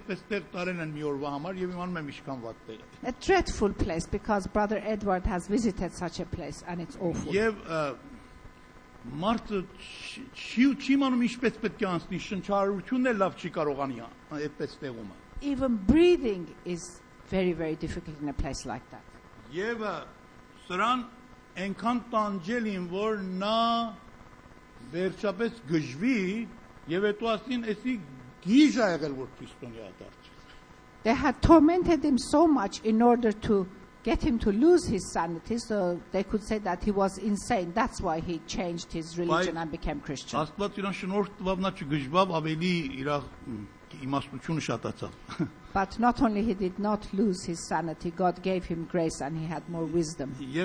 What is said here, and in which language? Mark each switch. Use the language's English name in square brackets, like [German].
[English] A dreadful place, because Brother Edward has visited such a place and it's awful. [Armenian] Մարդը չի իմանում ինչպես պետք է անցնի, շնչառությունն էլ լավ չի կարողանա այդպես տեղում։ [English] Even breathing is very very difficult in a place like that. [Armenian] Եվ սրան այնքան տանջել են, որ նա վերջապես գժվի եւ հետո ասին, էսի գիժ ա եղել որ քրիստոնյա դարձի։ [English] They had tormented him so much in order to get him to lose his sanity, so they could say that he was insane. That's why he changed his religion and became Christian. But not only he did not lose his sanity, God gave him grace and he had more wisdom.